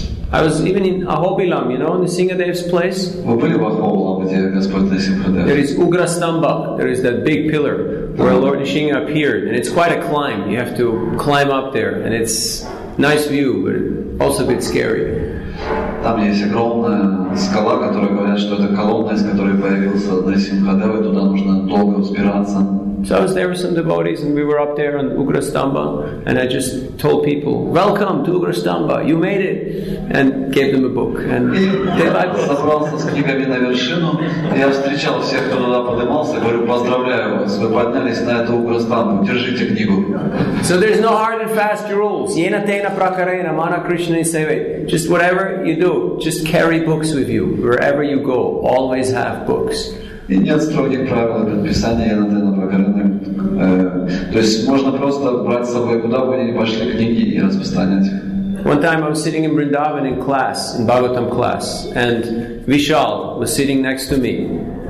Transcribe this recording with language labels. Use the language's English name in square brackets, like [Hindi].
[English] I was even in Ahobilam, you know, in the Singhadev's place. [Russian] Вы были в Ahobilam, где Господь Нисимхадев? [English] There is Ugrastamba, there is that big pillar where Lord Nishinga appeared, and it's quite a climb. You have to climb up there, and it's nice view, but also a bit scary. [Russian] Там есть огромная скала, которая говорят, что это колонна, из которой появился Нисимхадев, и туда нужно долго взбираться. [English] So I was there with some devotees, and we were up there on Ugrastamba, and I just told people, "Welcome to Ugrastamba, you made it," and gave them a book. And they liked it. [Russian] Я собрался с книгами на вершину. Я встречал всех, кто туда поднимался. Говорю, поздравляю вас, вы поднялись на эту Уграстамбу. Держите книгу. [English] So there's no hard and fast rules. [Sanskrit] Yena tena prakarena mana Krishna seve. [English] Just whatever you do, just carry books with you wherever you go. Always have books. [Russian] И нет строгих правил подписания на тену прокаренным. То есть можно просто брать с собой, куда бы они ни пошли, книги и распространять. [English] One time I was sitting in Vrindavan in class, in Bhagavatam class, and Vishal was sitting next to me.